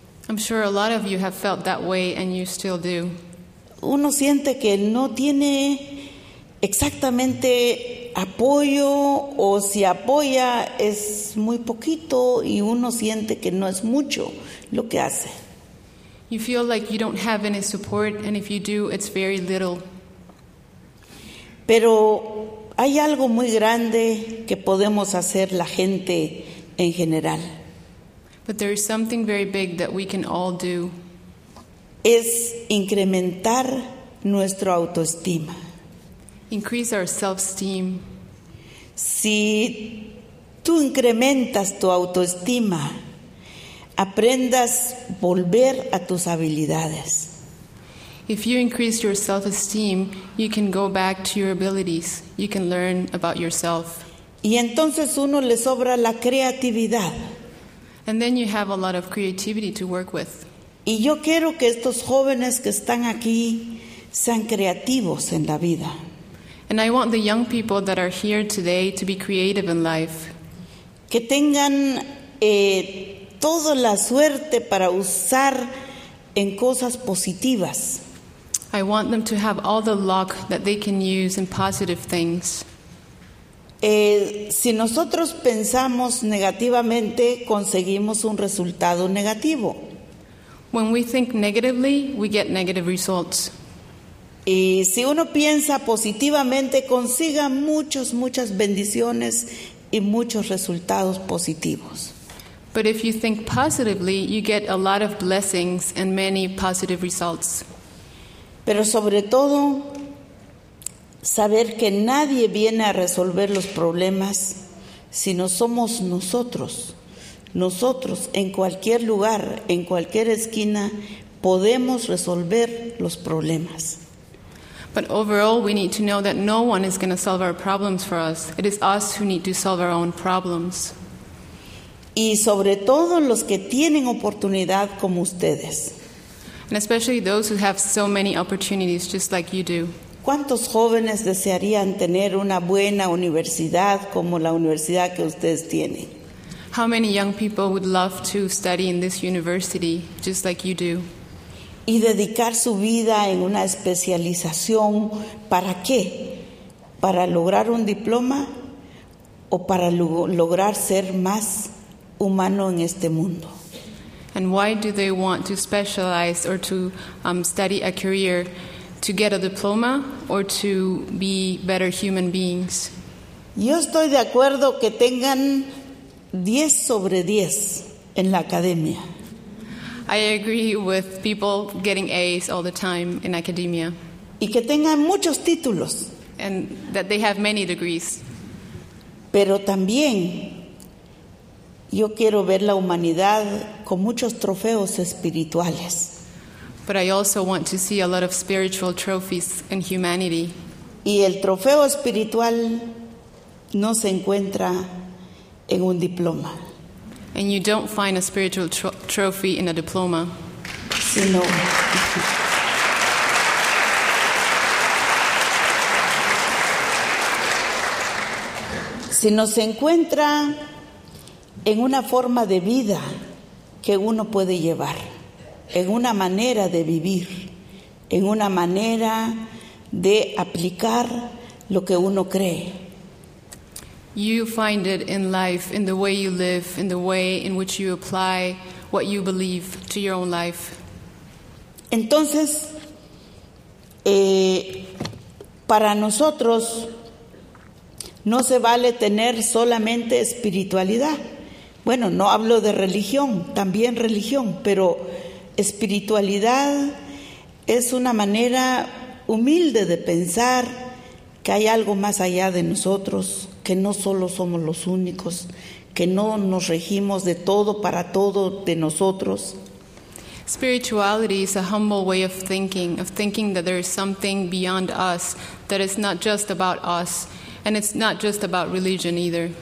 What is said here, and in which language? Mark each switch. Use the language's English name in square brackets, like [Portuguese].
[English] I'm sure a lot of you have felt that way and you still do. [Spanish] Uno siente que no tiene exactamente apoyo, o si apoya es muy poquito, y uno siente que no es mucho lo que hace. [English] You feel like you don't have any support, and if you do, it's very little. [Spanish] Pero hay algo muy grande que podemos hacer la gente en general. [English] But there is something very big that we can all do. [Spanish] Es incrementar nuestra autoestima. [English] Increase our self-esteem. [Spanish] Si tú incrementas tu autoestima, aprendas volver a tus habilidades. [English] If you increase your self-esteem, you can go back to your abilities. You can learn about yourself. [Spanish] Y entonces uno le sobra la creatividad. [English] And then you have a lot of creativity to work with. [Spanish] Y yo quiero que estos jóvenes que están aquí sean creativos en la vida. [English] And I want the young people that are here today to be creative in life. [Spanish] Que tengan toda la suerte para usar en cosas positivas. [English] I want them to have all the luck that they can use in positive things. [Spanish] Si nosotros pensamos negativamente, conseguimos un resultado negativo. [English] When we think negatively, we get negative results. [Spanish] Y si uno piensa positivamente, consiga muchas, muchas bendiciones y muchos resultados positivos. [English] But if you think positively, you get a lot of blessings and many positive results. [Spanish] Pero sobre todo, saber que nadie viene a resolver los problemas si no somos nosotros. Nosotros, en cualquier lugar, en cualquier esquina, podemos resolver los problemas. [English] But overall, we need to know that no one is going to solve our problems for us. It is us who need to solve our own problems. [Spanish] Y sobre todo los que tienen oportunidad como ustedes. [English] And especially those who have so many opportunities, just like you do. [Spanish] ¿Cuántos jóvenes desearían tener una buena universidad como la universidad que ustedes tienen? [English] How many young people would love to study in this university, just like you do? [Spanish] Y dedicar su vida en una especialización, ¿para qué? ¿Para lograr un diploma o para lograr ser más humano en este mundo? [English] And why do they want to specialize or to study a career, to get a diploma or to be better human beings? [Spanish] Yo estoy de acuerdo que tengan 10 sobre 10 en la academia. [English] I agree with people getting A's all the time in academia. [Spanish] Y que tengan muchos títulos. [English] And that they have many degrees. [Spanish] Pero también yo quiero ver la humanidad con muchos trofeos espirituales. [English] But I also want to see a lot of spiritual trophies in humanity. [Spanish] Y el trofeo espiritual no se encuentra en un diploma. [English] And you don't find a spiritual trophy in a diploma. [Spanish] Sí, no. Sino se encuentra en una forma de vida que uno puede llevar, en una manera de vivir, en una manera de aplicar lo que uno cree. [English] You find it in life, in the way you live, in the way in which you apply what you believe to your own life. [Spanish] Entonces, para nosotros no se vale tener solamente espiritualidad. Bueno, no hablo de religión, también religión, pero espiritualidad es una manera humilde de pensar que hay algo más allá de nosotros, que no solo somos los únicos, que no nos regimos de todo para todo de nosotros. [English] Spirituality is a humble way of thinking that there is something beyond us, that it's not just about us, and it's not just about religion either.